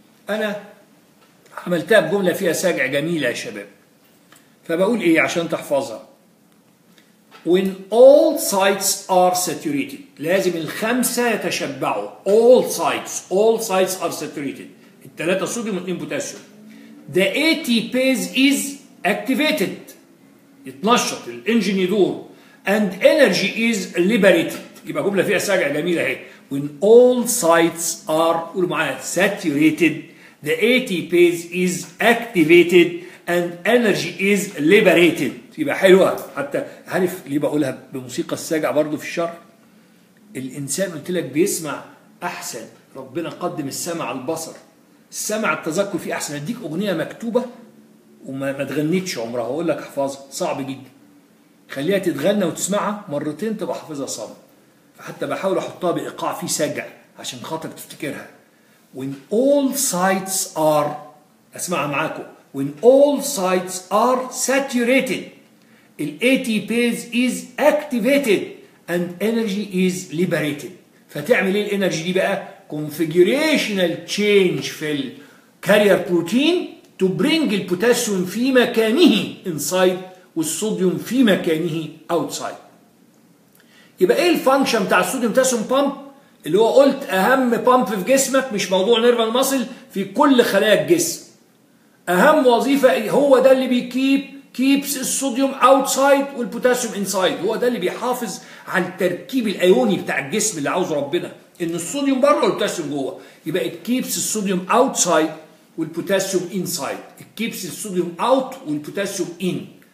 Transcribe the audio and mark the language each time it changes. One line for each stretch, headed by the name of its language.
Arabic: انا عملتها بجمله فيها ساجع جميله يا شباب، فبقول ايه عشان تحفظها،
English: when all sites are saturated،
Arabic: لازم الخمسه يتشبعوا،
English: all sites are saturated،
Arabic: التلاتة صوديوم واثنين بوتاسيوم،
English: the ATPase is activated،
Arabic: يتنشط الانجن يدور،
English: and energy is liberated.
Arabic: يبقى جمله فيها ساجع جميله اهي،
English: when all sites are،
Arabic: قولوا معايا،
English: saturated، the ATPase is activated and energy is liberated.
Arabic: يبقى حلوه، حتى عارف ليه بقولها بموسيقى الساجع برضو في الشرح، الانسان قلت لك بيسمع احسن، ربنا قدم السمع على البصر، السمع التذكر فيه احسن. اديك اغنيه مكتوبه وما تغنيتش عمرها، اقول لك احفظها صعب جدا، خليها تتغنى وتسمعها مرتين تبقى حافظها صم، فحتى بحاول احطها بايقاع فيه ساجع عشان خاطر تفتكرها.
English: When all sites are،
Arabic: اسمعها معاكم،
English: when all sites are saturated ATPase is activated and energy is liberated.
Arabic: فتعمل ايه الانرجي دي بقى؟ configurational change في الكارير بروتين
English: to bring
Arabic: البوتاسيوم في مكانه inside والصوديوم في مكانه outside. يبقى ايه الفانكشن بتاع الصوديوم بوتاسيوم بامب اللي هو قلت اهم بامب في جسمك، مش موضوع نيرفال ماسل، في كل خلايا الجسم، اهم وظيفه هو ده اللي بيكيب keeps الصوديوم outside والبوتاسيوم inside، هو ده اللي بيحافظ على التركيب الايوني بتاع الجسم اللي عاوزه ربنا، ان الصوديوم بره والبوتاسيوم جوه، يبقى it keeps الصوديوم outside والبوتاسيوم inside، it keeps الصوديوم out والبوتاسيوم in.